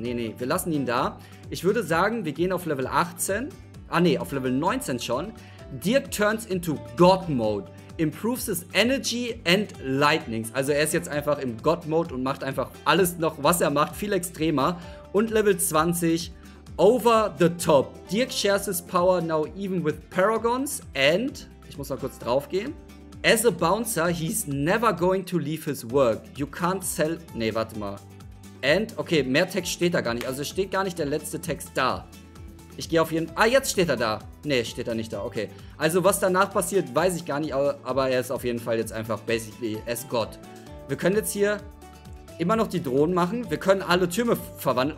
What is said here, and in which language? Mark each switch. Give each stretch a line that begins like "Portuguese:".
German: Nee, wir lassen ihn da. Ich würde sagen, wir gehen auf Level 18. Ah ne, auf Level 19 schon.
English: Dirk turns into God Mode. Improves his energy and lightnings.
German: Also er ist jetzt einfach im God Mode und macht einfach alles noch, was er macht, viel extremer.
English: Und Level 20, over the top. Dirk shares his power now even with Paragons and,
German: ich muss mal kurz drauf gehen.
English: As a bouncer, he's never going to leave his work. You can't sell,
German: ne, warte mal. And, okay, mehr Text steht da gar nicht. Also es steht gar nicht der letzte Text da. Ich gehe auf jeden... Ah, jetzt steht er da. Nee, steht er nicht da. Okay. Also, was danach passiert, weiß ich gar nicht. Aber er ist auf jeden Fall jetzt einfach
English: basically as God.
German: Wir können jetzt hier immer noch die Drohnen machen. Wir können alle Türme verwandeln.